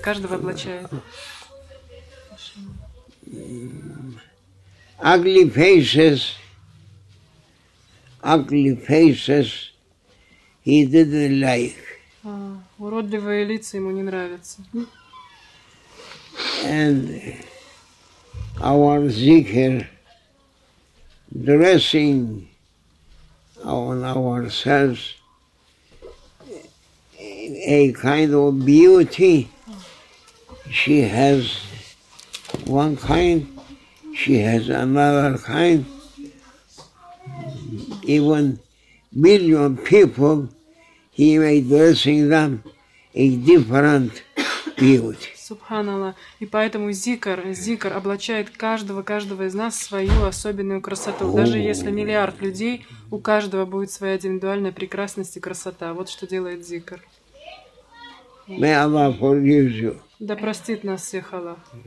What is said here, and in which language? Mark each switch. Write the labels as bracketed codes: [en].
[ru] Каждого облачает. [en] Ugly faces He didn't like. [ru] Уродливые лица ему не нравятся. [en] And our zikr, dressing on ourselves, a kind of beauty, she has one kind, she has another kind. Even million people, he may dressing them a different beauty. [ru] Субханаллах. И поэтому зикр облачает каждого из нас свою особенную красоту. Даже если миллиард людей, у каждого будет своя индивидуальная прекрасность и красота. Вот что делает зикр. [en] May Allah forgive you. [ru] Да простит нас всех Аллах.